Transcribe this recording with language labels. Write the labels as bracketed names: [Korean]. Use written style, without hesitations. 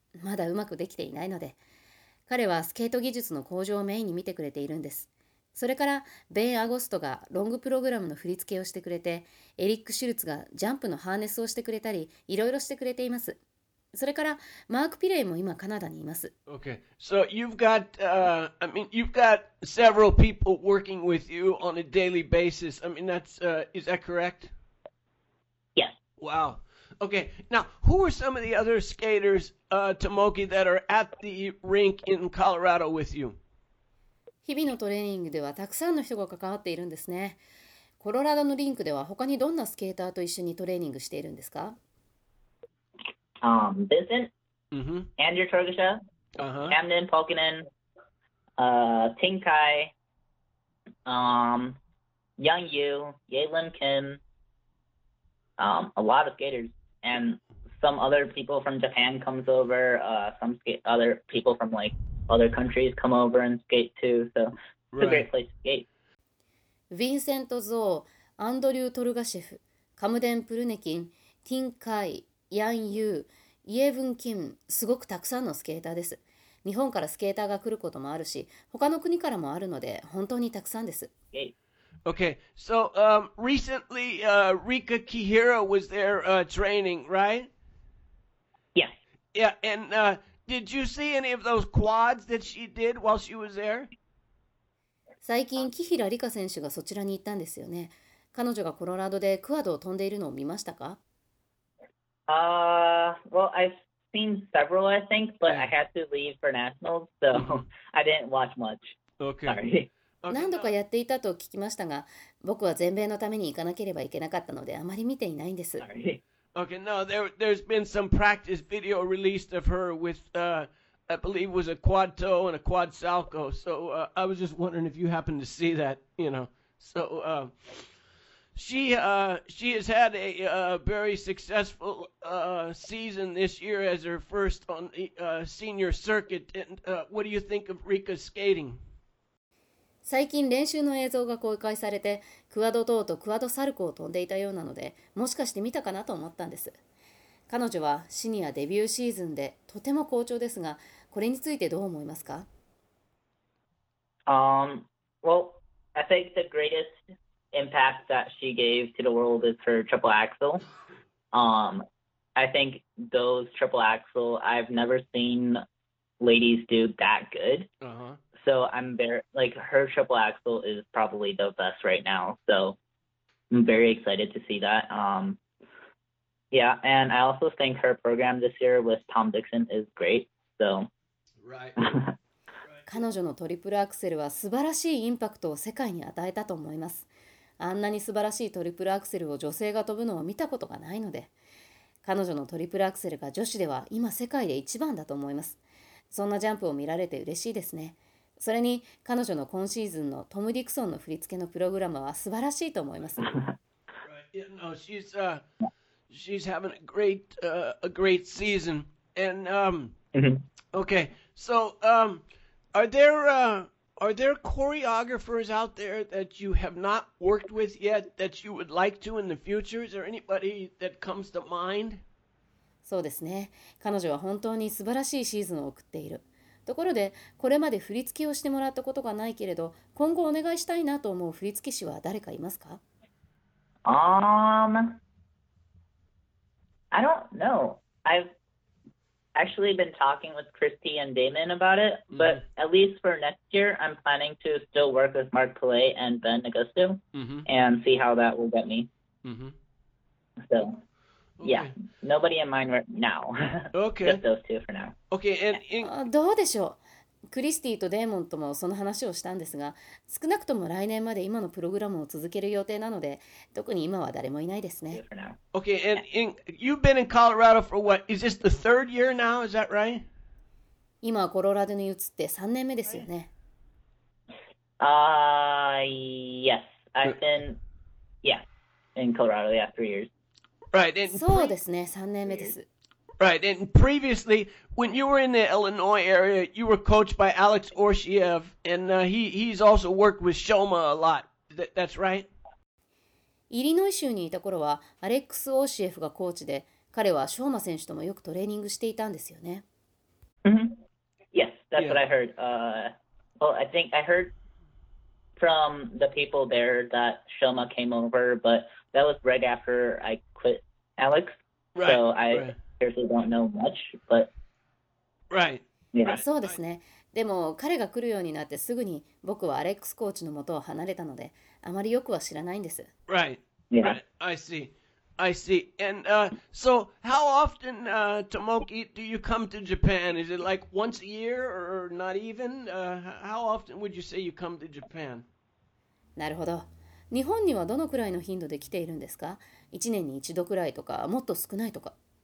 [Japanese] まだうまくできていないので。彼はスケート技術の向上をメインに見てくれているんです。それからベン・アゴストがロングプログラムの振り付けをしてくれて、エリック・シュルツがジャンプのハーネスをしてくれたり、いろいろしてくれています。それからマーク・ピレイも今カナダにいます。 [English] Okay, so you've got, you've got several people working with you on a daily basis. I mean, that's, is that correct? Yeah. Wow. Okay, now, who are some of the other skaters, Tomoki, that are at the rink in Colorado with you? [Japanese] 日々のトレーニングではたくさんの人が関わっているんですね。コロラドのリンクでは他にどんなスケーターと一緒にトレーニングしているんですか? [English] Vincent,、 mm-hmm. Andrew Torgasha,、 uh-huh. Camden Polkinen,、Tinkai,、Young Yu, Yaelin Kim,a lot of skaters and some other people from Japan comes over, some other people from like other countries come over and skate too, so it's a great place to skate. [Japanese] Vincent Zhou, Andrew Torgashev, Kamden Prunekin, Tin Kai, Yan Yu, Yevun Kim, すごくたくさんのスケーターです。日本からスケーターが来ることもあるし、他の国からもあるので、本当にたくさんです。 [English] Okay, so recently Rika Kihira was there training, right? Yeah. Yeah, and did you see any of those quads that she did while she was there? [Japanese] 最近、キヒラ・リカ選手がそちらに行ったんですよね。彼女がコロラドでクワドを飛んでいるのを見ましたか? [English] Well, I've seen several, I think, but I had to leave for nationals, so I didn't watch much. Okay. Sorry. [Japanese] 何度かやっていたと聞きましたが、僕は全米のために行かなければいけなかったので、あまり見ていないんです。 [English] Okay, no, there's been some practice video released of her with, I believe it was a quad toe and a quad salchow. So, I was just wondering if you happened to see that, you know. So, she has had a very successful season this year as her first on the senior circuit. And what do you think of Rika's skating? [Japanese] 最近練習の映像が公開されて、クワドトーとクワドサルコを飛んでいたようなので、もしかして見たかなと思ったんです。彼女はシニアデビューシーズンでとても好調ですが、これについてどう思いますか? [English] Well, I think the greatest impact that she gave to the world is her triple axel. I think those triple axel, I've never seen ladies do that good. Uh-huh. So I'm very, like, her triple axel is probably the best right now. So I'm very excited to see that. Yeah, and I also think her program this year with Tom Dixon is great. So. Right. [Japanese] 彼女のトリプルアクセルは素晴らしいインパクトを世界に与えたと思います。あんなに素晴らしいトリプルアクセルを女性が飛ぶのを見たことがないので、彼女のトリプルアクセルが女子では今世界で一番だと思います。そんなジャンプを見られて嬉しいですね。それに彼女の今シーズンのトム・ディクソンの振り付けのプログラムは素晴らしいと思います。 [English] Right. Yeah, no, she's, she's having a great season. And, okay, so, are there choreographers out there that you have not worked with yet that you would like to in the future? Is there anybody that comes to mind? [Japanese] そうですね。彼女は本当に素晴らしいシーズンを送っている。ところで、これまで振り付けをしてもらったことがないけれど、今後お願いしたいなと思う振り付け師は誰かいますか? [English] I don't know. I've actually been talking with Christy and Damon about it, but at least for next year, I'm planning to still work with Mark Pillay and Ben Augusto and see how that will get me. Mm-hmm. So. Yeah, nobody in mind right now. Okay. Just those two for now. Okay, and in [Japanese] Yeah. どうでしょう。クリスティとデーモンともその話をしたんですが、少なくとも来年まで今のプログラムを続ける予定なので、特に今は誰もいないですね。 [English] For now. Okay, and in you've been in Colorado for what? Is this the third year now? Is that right? [Japanese] 今コロラドに移って3年目ですよね。 [English] Yes, I've been, yeah, in Colorado, yeah, 3 years. Right, and [Japanese] そう [English] pre [Japanese] ですね、3年目で [English] 3 years. [Japanese] す。 [English] Right, and previously, when you were in the Illinois area, you were coached by Alex Orshiev, and he's also worked with Shoma a lot. That's right. [Japanese] イリノイ州にいた頃はアレックス・オーシエフがコーチで、彼はショーマ選手ともよくトレーニングしていたんですよね。 [English] Yes, that's what I heard. Well, I think I heard from the people there that Shoma came over, but that was right after I quit Alex. So I seriously don't know much, but yeah. [Japanese] そうですね。でも彼が来るようになってすぐに僕はアレックスコーチのもとを離れたので、あまりよくは知らないんです。 [English] I see. I see. And so how often Tomoki, do you come to Japan? Is it like once a year or not even? How often would you say you come to Japan? [Japanese] なるほど。日本にはどのくらいの頻度で来ているんですか？1年に1度くらいとか、もっと少ないとか。